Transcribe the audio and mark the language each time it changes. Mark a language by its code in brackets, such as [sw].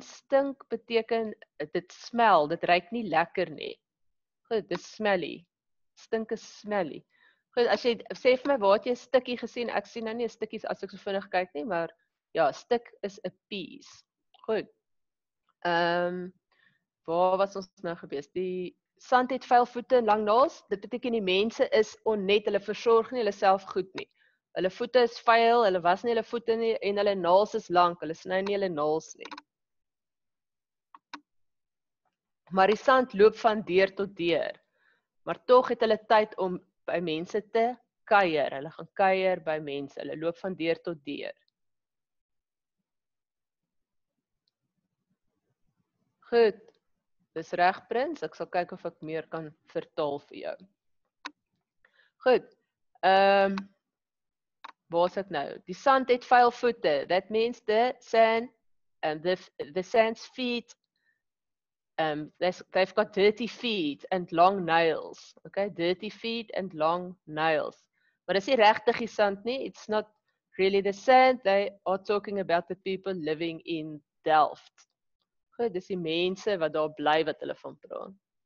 [af] Stink beteken, dit smel, dit ruik nie lekker nie. Goed, dit is smelly. Stink is smelly. Goed, as jy, sê vir my, waar het jy 'n stukkie gesien? Ek sien nou nie 'n stukkie as ek so vinnig kyk nie, maar ja, stuk is [en] a piece. [af] Goed. Waar was ons nou gewees? Die sand het vuil voete en lang naals. Dit beteken die mense is onnet. Hulle versorg nie hulle self goed nie. Hulle voete is vuil. Hulle was nie hulle voete nie. En hulle naals is lang. Hulle sny nie hulle naals nie. Maar die sand loop van deur tot deur. Maar toch het hulle tyd om by mense te kuier. Hulle gaan kuier by mense. Hulle loop van deur tot deur. Goed, dis reg prins, ek sal kyk of ek meer kan vertaal vir jou. Goed, waar is ek nou? Die sand het vuil voete, [en] that means the sand, the sand's feet, they've got dirty feet and long nails. Okay, dirty feet and long nails. [af] Maar dis nie regtig die sand nie, [en] it's not really the sand, they are talking about the people living in Delft. [af] Goed, dis die mense wat daar bly wat hulle van praat.